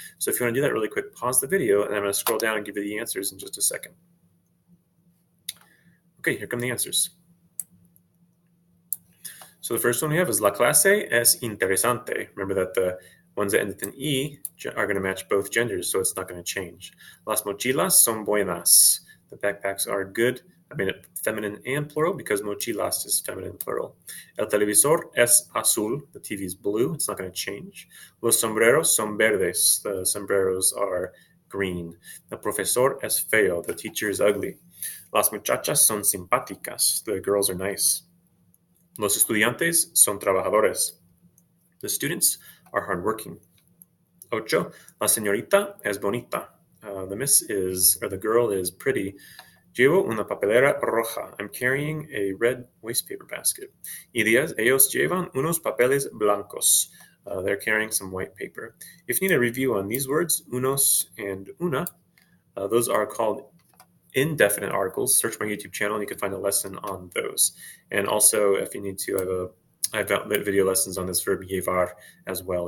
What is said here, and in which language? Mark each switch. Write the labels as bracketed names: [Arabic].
[English] So if you want to do that really quick, pause the video, and I'm going to scroll down and give you the answers in just a second. Okay, here come the answers. So the first one we have is [Spanish] la clase es interesante. [English] Remember that the ones that end with an E are going to match both genders, so it's not going to change. [Spanish] Las mochilas son buenas. [English] The backpacks are good. I made it feminine and plural because mochilas is feminine plural. [Spanish] El televisor es azul. [English] The TV is blue. It's not going to change. [Spanish] Los sombreros son verdes. [English] The sombreros are green. [Spanish] El profesor es feo. [English] The teacher is ugly. [Spanish] Las muchachas son simpáticas. [English] The girls are nice. [Spanish] Los estudiantes son trabajadores. [English] The students are hardworking. [Spanish] Ocho, la señorita es bonita. [English] The miss is, or the girl is pretty. [Spanish] Llevo una papelera roja. [English] I'm carrying a red waste paper basket. [Spanish] Y diez, ellos llevan unos papeles blancos. [English] They're carrying some white paper. If you need a review on these words, unos and una, those are called indefinite articles. Search my YouTube channel and you can find a lesson on those. And also, if you need to, I've got video lessons on this verb llevar as well.